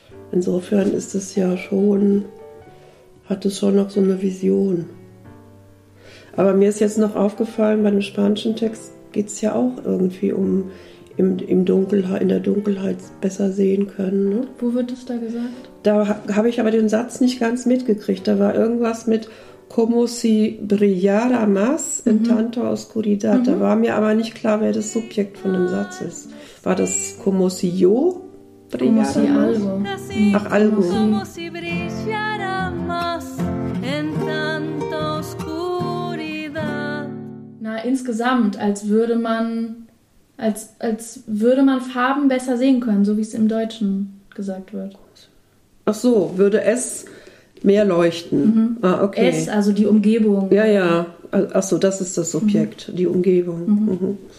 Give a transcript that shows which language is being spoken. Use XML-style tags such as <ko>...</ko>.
<de>Insofern ist es ja schon, hat es schon noch so eine Vision. Aber mir ist jetzt noch aufgefallen, bei dem spanischen Text geht es ja auch irgendwie um in der Dunkelheit besser sehen können. Ne? Wo wird das da gesagt? Da habe ich aber den Satz nicht ganz mitgekriegt. Da war irgendwas mit</de> <es>como si brillara más en tanta oscuridad.</es> <de>Mhm. Da war mir aber nicht klar, wer das Subjekt von dem Satz ist. War das</de> <es>como si yo brillara más? Como si algo.</es> <de>Ach, algo.</de> <es>Como si brillara más en tanta oscuridad.</es> <de>Na, insgesamt, als würde man Farben besser sehen können, so wie es im Deutschen gesagt wird. Ach so, würde es mehr leuchten. Mhm. Ah, okay. Es, also die Umgebung. Ja, ja. Ach so, das ist das Subjekt, die Umgebung.</de>